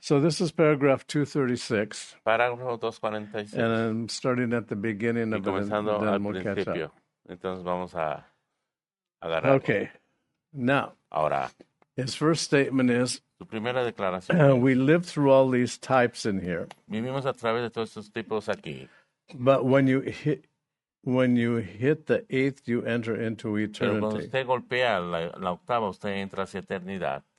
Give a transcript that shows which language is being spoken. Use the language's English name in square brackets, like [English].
[English] So this is paragraph 236. [Spanish] Parágrafo 246. [English] And I'm starting at the beginning of it, and then [Spanish] al [English] we'll [Spanish] principio. [English] Catch up. [Spanish] Entonces vamos a agarrar. [English] Okay. Now. [Spanish] Ahora. [English] His first statement is. [Spanish] Su primera declaración. [English] We live through all these types in here. [Spanish] Vivimos a través de todos estos tipos aquí. [English] But when you hit the eighth, you enter into eternity. [Spanish] Pero cuando usted golpea la octava, usted entra hacia eternidad.